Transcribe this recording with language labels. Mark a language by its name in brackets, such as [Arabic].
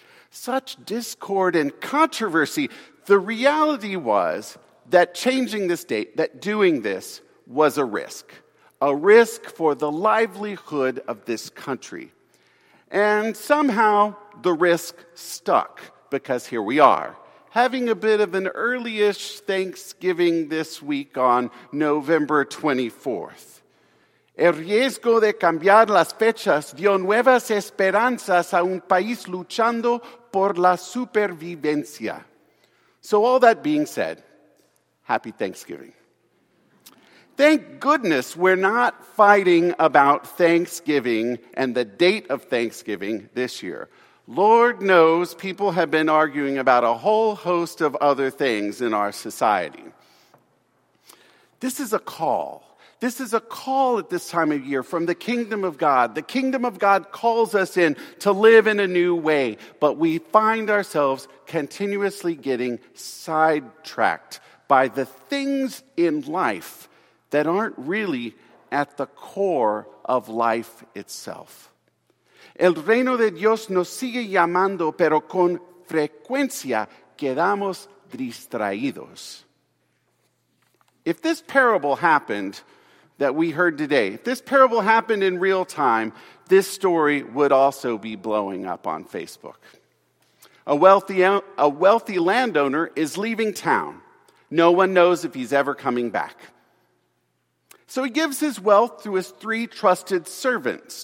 [English] Such discord and controversy. The reality was that changing this date, that doing this, was a risk for the livelihood of this country. And somehow, the risk stuck, because here we are, having a bit of an early-ish Thanksgiving this week on November 24th. [Spanish] El riesgo de cambiar las fechas dio nuevas esperanzas a un país luchando por la supervivencia. [English] So all that being said, happy Thanksgiving. Thank goodness we're not fighting about Thanksgiving and the date of Thanksgiving this year. Lord knows people have been arguing about a whole host of other things in our society. This is a call. This is a call at this time of year from the kingdom of God. The kingdom of God calls us in to live in a new way, but we find ourselves continuously getting sidetracked by the things in life that aren't really at the core of life itself. [Spanish] El reino de Dios nos sigue llamando, pero con frecuencia quedamos distraídos. [English] If this parable happened that we heard today, if this parable happened in real time, this story would also be blowing up on Facebook. A wealthy landowner is leaving town. No one knows if he's ever coming back. So he gives his wealth to his three trusted servants.